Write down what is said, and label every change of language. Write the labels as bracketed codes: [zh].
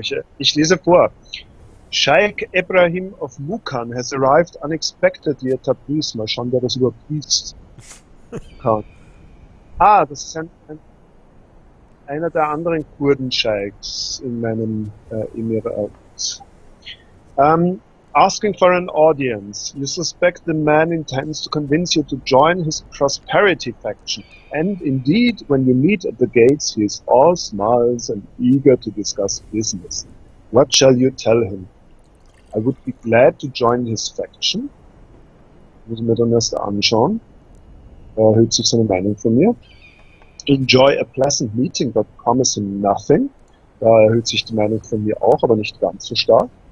[de] ich. Ich lese vor. [en] Scheik Ibrahim of Mukan has arrived unexpectedly at Tabriz. [de] Mal schauen, wer das überprüft. Ah, das ist einer der anderen Kurden-Scheiks in meinem Emirat. [en] Asking for an audience. You suspect the man intends to convince you to join his prosperity faction. And indeed, when you meet at the gates, he is all smiles and eager to discuss business. What shall you tell him? I would be glad to join his faction. [de] Muss ich mir dann erst anschauen. Er erhöht sich seine Meinung von mir. [en] Enjoy a pleasant meeting, but promise him nothing. [de] Da erhöht sich die Meinung von mir auch, aber nicht ganz so stark.